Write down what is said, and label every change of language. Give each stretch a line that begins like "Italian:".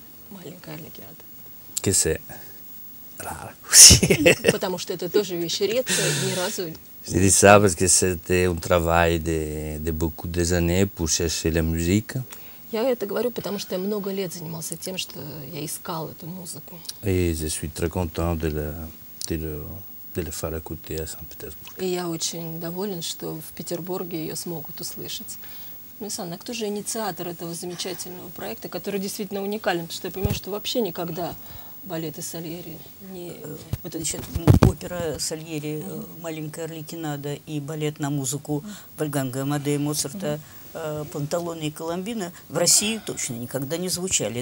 Russian: Маленькая Arlecchiata. Che se rara. Потому что это тоже вещь редкая, ни разу.
French: Si le sa, parce que c'était un travail de beaucoup des années pour chercher la musique.
Russian: Я это говорю, потому что я много лет занимался тем, что я искал эту музыку.
French: Et je suis très content de le faire écouter à Saint-Pétersbourg.
Russian: И я очень доволен, что в Петербурге ее смогут услышать. Александр, а кто же инициатор этого замечательного проекта, который действительно уникален? Потому что я понимаю, что вообще никогда балеты Сальери не... Вот это сейчас опера Сальери «Маленькая Арлекинада» и балет на музыку Вольфганга Амадея Моцарта «Панталоны и Коломбина» в России точно никогда не звучали.